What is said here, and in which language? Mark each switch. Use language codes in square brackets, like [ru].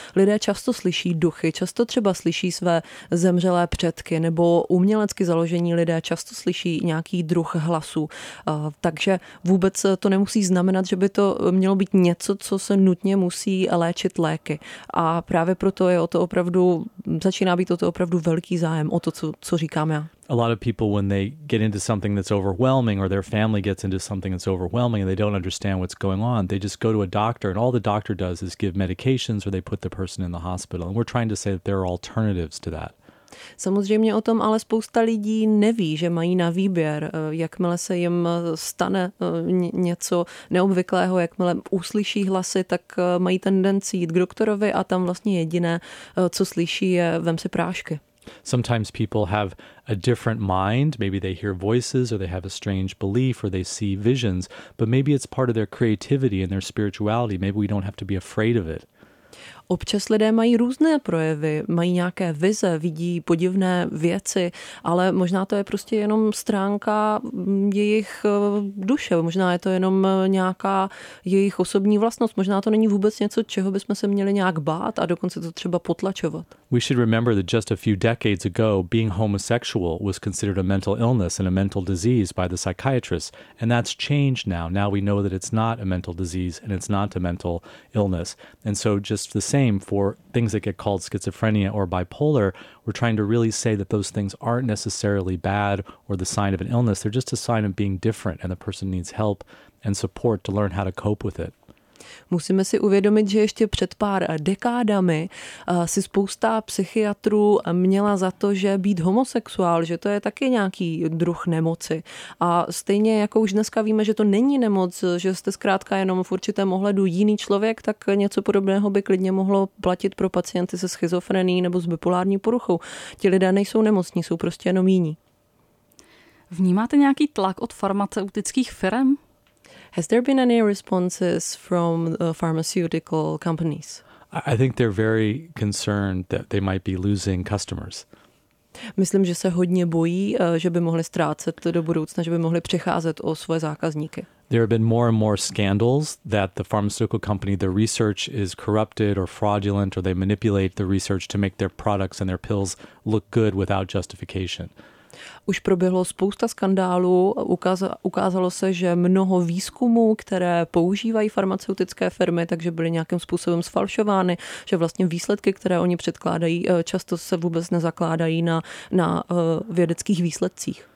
[cs] Lidé často slyší duchy, často třeba slyší své zemřelé předky, nebo umělecky založení lidé často slyší nějaký druh hlasů. Takže vůbec to nemusí znamenat, že by to mělo být něco, co se nutně musí léčit léky. A právě proto je o to opravdu, začíná být o to opravdu velký zájem o to, co říkám já. [en] A lot of people, when they get into something that's overwhelming or their family gets into something that's overwhelming and they don't understand what's going on, they just go to a doctor and all the doctor does is give medications or they put the person in the hospital. And we're trying to say that there are alternatives to that. [cs] Samozřejmě o tom ale spousta lidí neví, že mají na výběr. Jakmile se jim stane něco neobvyklého, jakmile uslyší hlasy, tak mají tendenci jít k doktorovi a tam vlastně jediné, co slyší, je vem si prášky. [en] Sometimes people have a different mind, maybe they hear voices or they have a strange belief or they see visions, but maybe it's part of their creativity and their spirituality. Maybe we don't have to be afraid of it. [cs] Občas lidé mají různé projevy, mají nějaké vize, vidí podivné věci, ale možná to je prostě jenom stránka jejich duše, možná je to jenom nějaká jejich osobní vlastnost, možná to není vůbec něco, čeho bychom se měli nějak bát a dokonce to třeba potlačovat. [en] We should remember that just a few decades ago, being homosexual was considered a mental illness and a mental disease by the psychiatrists, and that's changed now. Now we know that it's not a mental disease and it's not a mental illness. And so just the same for things that get called schizophrenia or bipolar, we're trying to really say that those things aren't necessarily bad or the sign of an illness. They're just a sign of being different and the person needs help and support to learn how to cope with it. [cs] Musíme si uvědomit, že ještě před pár dekádami si spousta psychiatrů měla za to, že být homosexuál, že to je taky nějaký druh nemoci. A stejně jako už dneska víme, že to není nemoc, že jste zkrátka jenom v určitém ohledu jiný člověk, tak něco podobného by klidně mohlo platit pro pacienty se schizofrenií nebo s bipolární poruchou. Ti lidé nejsou nemocní, jsou prostě jenom jiní. Vnímáte nějaký tlak od farmaceutických firm? [en] Has there been any responses from pharmaceutical companies? I think they're very concerned that they might be losing customers. [cs] Myslím, že se hodně bojí, že by mohli ztrácet do budoucna, že by mohli přicházet o svoje zákazníky. [en] There have been more and more scandals that the pharmaceutical company, their research is corrupted or fraudulent, or they manipulate the research to make their products and their pills look good without justification. [cs] Už proběhlo spousta skandálů, ukázalo se, že mnoho výzkumů, které používají farmaceutické firmy, takže byly nějakým způsobem sfalšovány, že vlastně výsledky, které oni předkládají, často se vůbec nezakládají na vědeckých výsledcích.